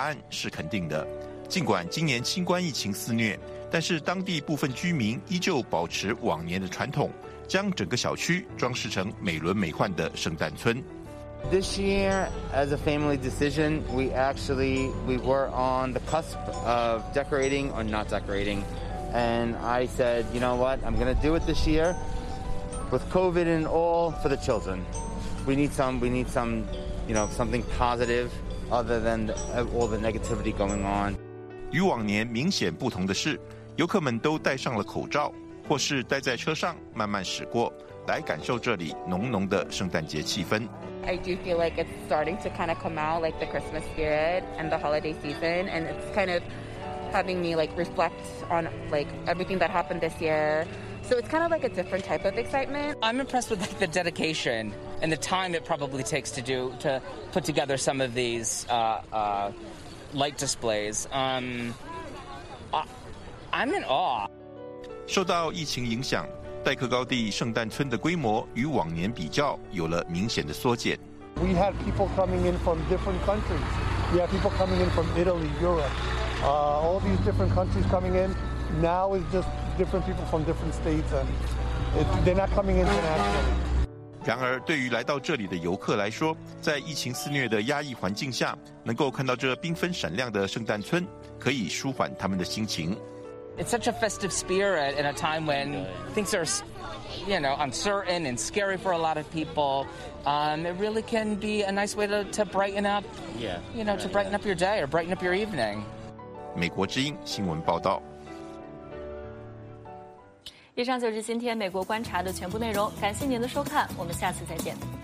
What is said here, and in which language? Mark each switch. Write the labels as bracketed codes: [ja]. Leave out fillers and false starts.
[zh] 是肯定的，尽管今年新冠疫情肆虐，但是当地部分居民依旧保持往年的传统，将整个小区装饰成美轮美奂的圣诞村。 [en] This year, as a family decision, we were on the cusp of decorating or not decorating, and I said, you know what, I'm gonna do it this year, with COVID and all, for the children. We need some, you know, something positive. Other than all the negativity going on. [zh] 与往年明显不同的是，游客们都戴上了口罩，或是待在车上慢慢驶过，来感受这里浓浓的圣诞节气氛。 [en] I do feel like it's starting to kind of come out, like the Christmas spirit and the holiday season, and it's kind of having me like reflect on like everything that happened this year. So it's kind of like a different type of excitement. I'm impressed with like the dedication. And the time it probably takes to put together some of these light displays. I'm in awe. [zh] 受到疫情影响，代客高地圣诞村的规模与往年比较有了明显的缩减。 [en] We had people coming in from different countries. We had people coming in from Italy, Europe. All these different countries coming in. Now it's just different people from different states. And they're not coming internationally. [zh] 然而对于来到这里的游客来说，在疫情肆虐的压抑环境下，能够看到这缤纷闪亮的圣诞村，可以舒缓他们的心情。 [en] It's such a festive spirit in a time when things are, you know, uncertain and scary for a lot of people. It really can be a nice way to brighten up, you know, to brighten up your day or brighten up your evening. [zh] 美国之音新闻报道。以上就是今天美国观察的全部内容，感谢您的收看，我们下次再见。